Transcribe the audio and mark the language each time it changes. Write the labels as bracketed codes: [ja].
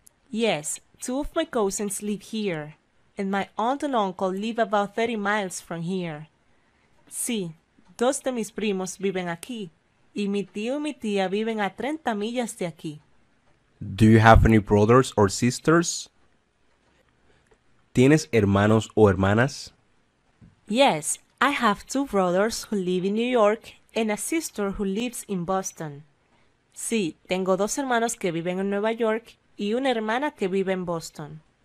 [en] Yes, two of my cousins live here, and my aunt and uncle live about 30 miles from here. [es] Sí. Dos de mis primos viven aquí, y mi tío y mi tía viven a 30 millas de aquí. [en] Do you have any brothers or sisters? [es] ¿Tienes hermanos o hermanas? [en] Yes, I have two brothers who live in New York and a sister who lives in Boston. [es] Sí, tengo dos hermanos que viven en Nueva York y una hermana que vive en Boston.